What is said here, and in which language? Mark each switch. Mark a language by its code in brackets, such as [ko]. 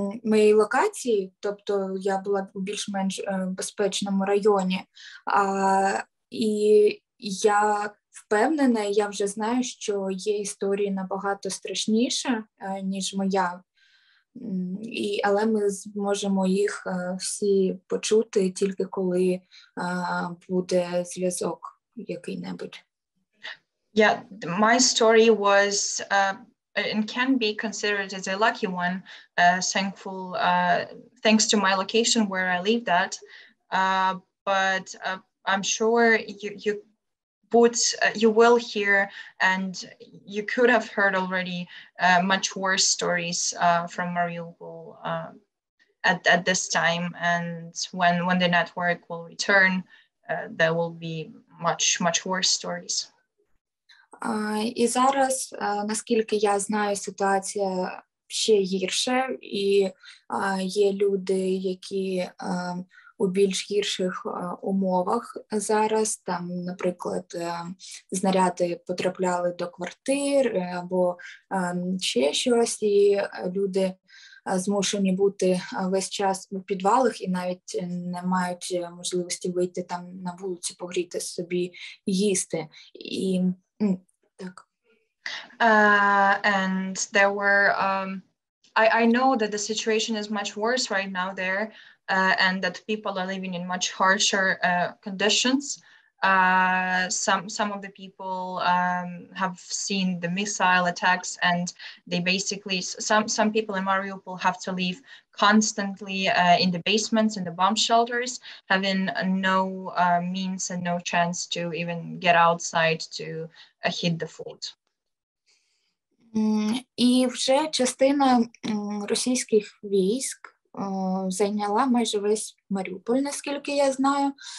[uk] моїй локації, тобто я була у більш-менш безпечному районі, і я впевнена, я вже знаю, що є історії набагато страшніша, ніж моя, але ми зможемо їх всі почути тільки коли буде зв'язок який-небудь. [en] Yeah, my story was and can be considered as a lucky one, thankful thanks to my location where I live that. But I'm sure you will hear, and you could have heard already much worse stories from Mariupol at this time. And when the network will return, there will be much, much worse stories. [uk] І зараз, наскільки я знаю, ситуація ще гірша, і є люди, які у більш гірших умовах зараз, там, наприклад, знаряди потрапляли до квартир або ще щось, і люди змушені бути весь час у підвалах і навіть не мають можливості вийти там на вулицю, погріти собі їсти. І так. [en] And there were I know that the situation is much worse right now there. And that people are living in much harsher conditions. Some of the people have seen the missile attacks, and they basically some people in Mariupol have to live constantly in the basements, in the bomb shelters, having no means and no chance to even get outside to hit the food. [uk] І вже частина російських військ зайняла майже весь Маріуполь, наскільки я знаю.